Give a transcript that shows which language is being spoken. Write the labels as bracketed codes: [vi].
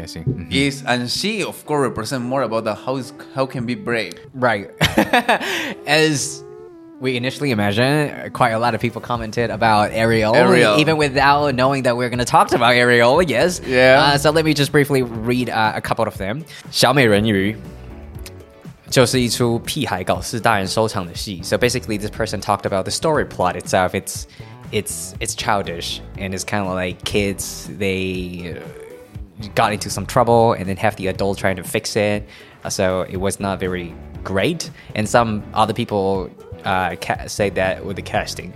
[en] Mm-hmm. Is, and she, of course, represents more about the how can be brave. Right. As we initially imagined, quite a lot of people commented about Ariel. Even without knowing that we're going to talk about Ariel, yes. Yeah. So let me just briefly read a couple of them. [zh] 小美人鱼就是一出屁孩搞事大人收场的戏。 [en] So basically, this person talked about the story plot itself. It's childish, and it's kind of like kids, they got into some trouble and then have the adult trying to fix it. So it was not very great. And some other people say that with the casting.